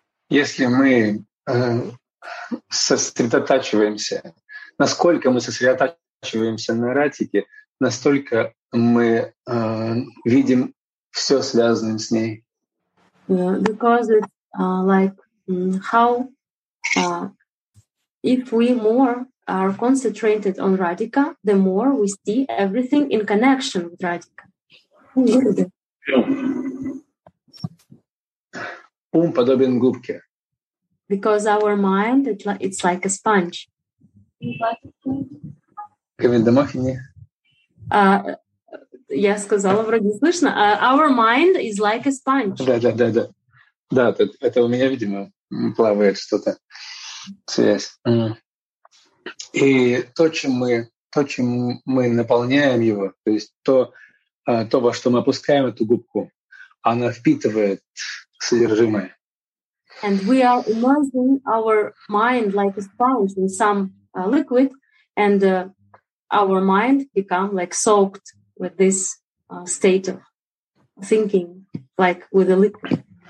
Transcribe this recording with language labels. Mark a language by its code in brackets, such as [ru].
[ru] Если мы сосредотачиваемся, насколько мы сосредотачиваемся на Радхе, настолько мы видим все связанное с ней. [en] Because it's like how if we more are concentrated on Radhika, the more we see everything in connection with Radhika. [ru] Ум подобен губке. [en] Because our mind, it's like a sponge. [ru] Говорит домашний. Я сказала, вроде слышно. [en] Our mind is like a sponge. [ru] Да. Да, это у меня, видимо, плавает что-то. Связь. И то, чем мы наполняем его, то есть то, во что мы опускаем эту губку, она впитывает содержимое. [en] And we are immersing our mind like a sponge in some liquid, and our mind become like soaked with this state of thinking, like with a liquid.